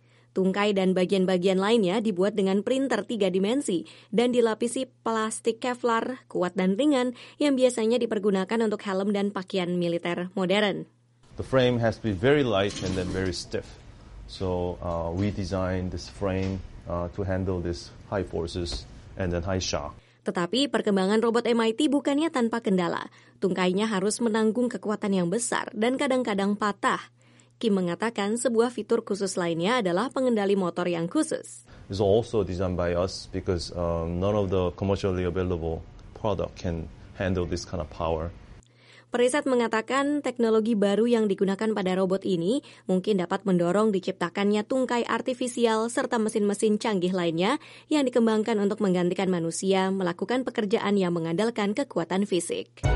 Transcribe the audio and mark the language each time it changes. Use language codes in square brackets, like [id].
[id] Tungkai dan bagian-bagian lainnya dibuat dengan printer 3 dimensi dan dilapisi plastik Kevlar, kuat dan ringan, yang biasanya dipergunakan untuk helm dan pakaian militer modern. [en] The frame has to be very light and then very stiff. So we designed this frame to handle this high forces and then high shock. [id] Tetapi perkembangan robot MIT bukannya tanpa kendala. Tungkainya harus menanggung kekuatan yang besar dan kadang-kadang patah. Kim mengatakan sebuah fitur khusus lainnya adalah pengendali motor yang khusus. [en] It's also designed by us because none of the commercially available product can handle this kind of power. [id] Periset mengatakan teknologi baru yang digunakan pada robot ini mungkin dapat mendorong diciptakannya tungkai artifisial serta mesin-mesin canggih lainnya yang dikembangkan untuk menggantikan manusia melakukan pekerjaan yang mengandalkan kekuatan fisik.